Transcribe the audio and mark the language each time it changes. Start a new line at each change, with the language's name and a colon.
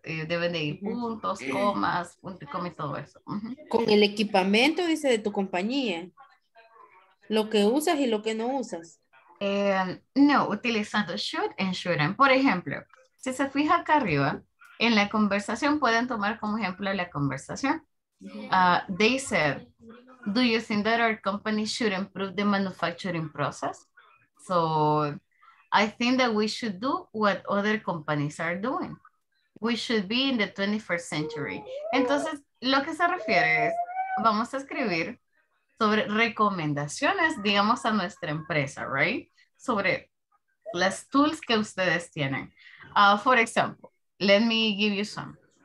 Spanish: Deben de ir puntos, comas, punto y coma y todo eso. Con el equipamiento, dice, de tu compañía. Lo que usas y lo que no usas. No, utilizando should and shouldn't. Por ejemplo, si se fija acá arriba, en la conversación pueden tomar como ejemplo la conversación.
English: They said, do you think that our company should improve the manufacturing process? So, I think that we should do what other companies are doing. We should be in the 21st century.
Spanish: Entonces, lo que se refiere es, vamos a escribir sobre recomendaciones, digamos, a nuestra empresa, right? Sobre las tools que ustedes tienen.
English: For example, let me give you some.